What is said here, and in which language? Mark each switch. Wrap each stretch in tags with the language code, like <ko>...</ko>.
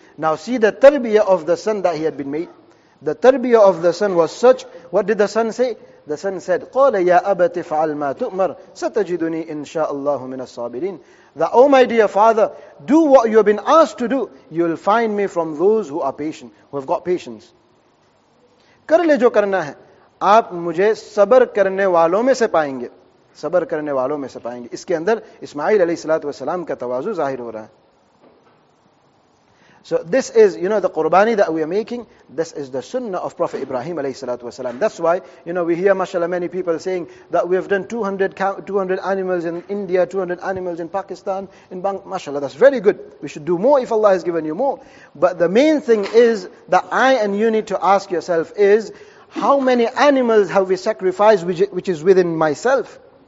<en>Now see the tarbiyah of the son that he had been made. The tarbiyah of the son was such, what did the son say? The son said,</en> <ar>قَالَ يَا أَبَتِ فَعَلْ مَا تُؤْمَرْ سَتَجِدُنِي إِنشَاءَ اللَّهُ مِنَ الصَّابِرِينَ.</ar> <en>That, oh my dear father, do what you have been asked to do, you will find me from those who are patient, who have got patience.</en> <ur>کر لے جو کرنا ہے, آپ مجھے صبر کرنے والوں میں سے پائیں گے, صبر کرنے والوں میں سے پائیں گے. اس کے اندر اسماعیل علیہ الصلوۃ والسلام کا تواضع ظاہر ہو رہا ہے.</ur> <en>So this is, you know, the qurbani that we are making, this is the sunnah of Prophet Ibrahim alayhi salatu wasalam. That's why, you know, we hear mashallah many people saying that we have done 200 animals in India, 200 animals in Pakistan, in Bangladesh. Mashallah, that's very good. We should do more if Allah has given you more. But the main thing is that I and you need to ask yourself is, how many animals have we sacrificed which is within myself?</en>